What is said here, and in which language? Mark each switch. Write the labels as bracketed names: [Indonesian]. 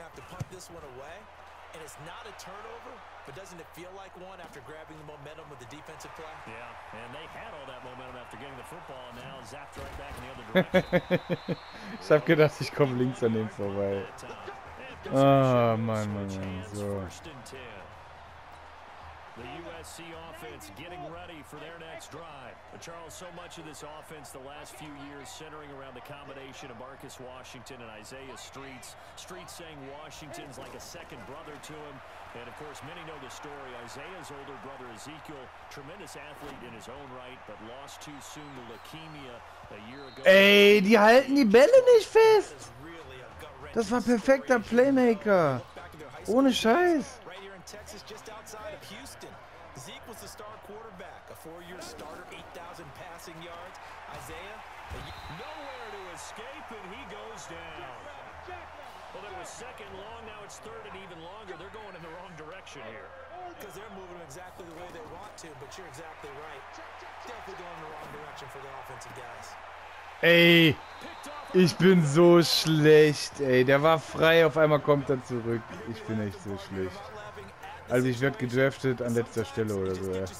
[English] And it's not a turnover, but doesn't it feel like one after grabbing the momentum of the defensive play? Yeah, and they had all that momentum after getting the football, and now zapped right back in the other direction. [German] Ich hab gedacht, ich komme links an dem vorbei. Oh, Mann, Mann, Mann, so. [English] The USC offense getting ready for their next drive. But Charles, so much of this offense the last few years centering around the combination of Marcus Washington and Isaiah Streets. Streets saying Washington's like a second brother to him. And of course, many know the story. Isaiah's older brother, Ezekiel, tremendous athlete in his own right, but lost too soon to leukemia a year ago. [German] Ey, die halten die Bälle nicht fest. Das war perfekter Playmaker. Ohne Scheiß. [English] Texas just outside of Houston. Zeke was the star quarterback, a four-year starter, 8,000 passing yards. Isaiah, nowhere to escape, and he goes down. Well, there was second long, now it's third and even longer. They're going in the wrong direction here. Because they're moving exactly the way they want to, but you're exactly right. Definitely going in the wrong direction for the offensive guys. [German] Ey, ich bin so schlecht, ey. Der war frei, auf einmal kommt er zurück. Ich bin echt so schlecht. Also ich werde gedraftet an letzter Stelle oder so.